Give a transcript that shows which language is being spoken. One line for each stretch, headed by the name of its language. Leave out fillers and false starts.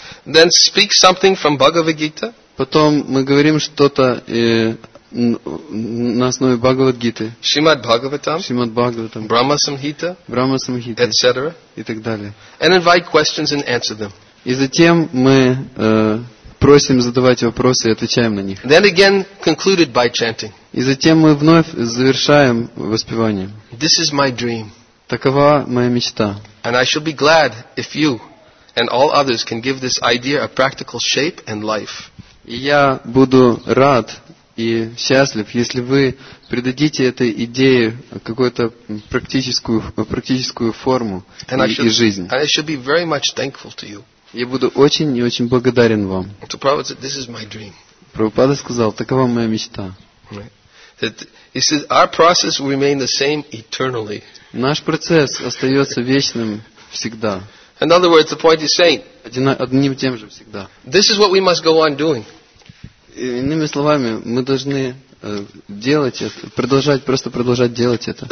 English: Then speak something from Bhagavad Gita.
Russian: Потом мы говорим что-то на основе Бхагавад Гиты. Шримад Бхагаватам. Шримад Бхагаватам. Брахма Самхита. Брахма Самхита.
English: Etc.
Russian: И так далее.
English: And invite questions and answer them.
Russian: И затем мы просим задавать вопросы и отвечаем на них.
English: Then again concluded by chanting.
Russian: И затем мы вновь завершаем воспеванием.
English: This is my dream.
Russian: Такова моя мечта.
English: And I shall be glad if you and all others can give this idea a practical shape and life.
Russian: Я буду рад и счастлив, если вы придадите этой идее какую-то практическую форму и жизнь.
English: And I shall be very much thankful to you.
Russian: Я буду очень и очень благодарен вам.
English: So Prabhupada said, this is my dream.
Russian: Прабхупада сказал, такова моя мечта.
English: Right. He said, our process will remain the same eternally.
Russian: Наш процесс остается вечным всегда.
English: In other words, the point is saying,
Russian: одним тем же всегда.
English: This is what we must go on doing.
Russian: Иными словами, мы должны делать это, продолжать делать это.